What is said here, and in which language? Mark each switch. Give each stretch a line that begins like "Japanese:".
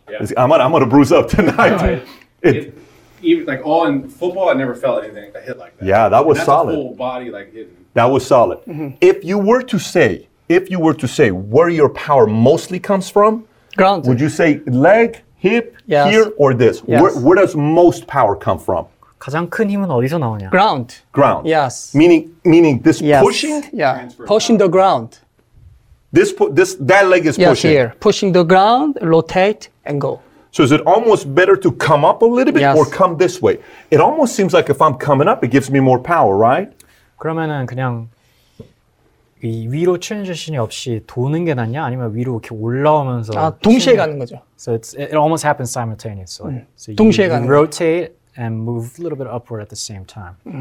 English: Yeah. I'm gonna bruise up tonight. No, even like all in football, I never felt anything. I hit like that. Yeah, that was that's solid. Whole body like hitting. That was solid. Mm-hmm. If you were to say where your power mostly comes from, ground. Would you say leg, hip, here, or this? Yes. Where does most power come from?
Korean: 가장 큰 힘은 어디서 나오냐?
English: Ground. Ground. Yes. Meaning this yes. pushing? Yeah. Transfer pushing power. The ground. That leg is yes, pushing. Yes, here. Pushing the ground, rotate, and go. So is it almost better to come up a little bit yes. or come this way? It almost seems like if I'm coming up, it gives me more power, right?
Korean: 그러면은 그냥 이 위로 트랜지션이 없이 도는 게 낫냐? 아니면 위로 이렇게 올라오면서 아, 동시에 치는... 가는 거죠.
English: So it almost happens simultaneously. So
Korean: 동시에
English: you,
Korean: 가는 거죠. Rotate.
English: And move a little bit upward at the same time.